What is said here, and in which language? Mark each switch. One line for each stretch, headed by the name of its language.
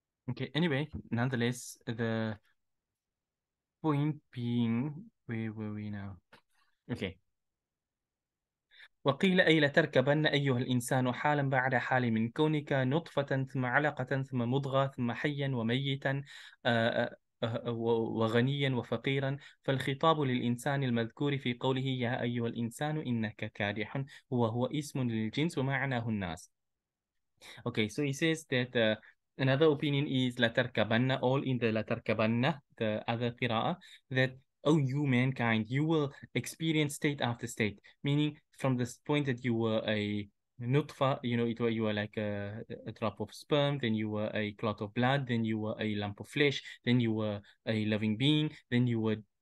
English: Okay, anyway, nonetheless, the point being, where were we now? Okay.
Arabic: وقيل أي لتركبن أيها الإنسان حالا بعد حال من كونك نطفة ثم علقة ثم مضغة ثم حيا وميتا وغنيا وفقيرا. فالخطاب للإنسان المذكور في قوله يا أيها الإنسان إنك كادح هو اسم للجنس ومعناه الناس.
English: Okay, so he says that another opinion is latarkabanna, all in the latarkabanna, the other qira'ah, that, oh, you mankind, you will experience state after state, meaning from this point that you were a nutfa, you were like a drop of sperm, then you were a clot of blood, then you were a lump of flesh, then you were a loving being, then you were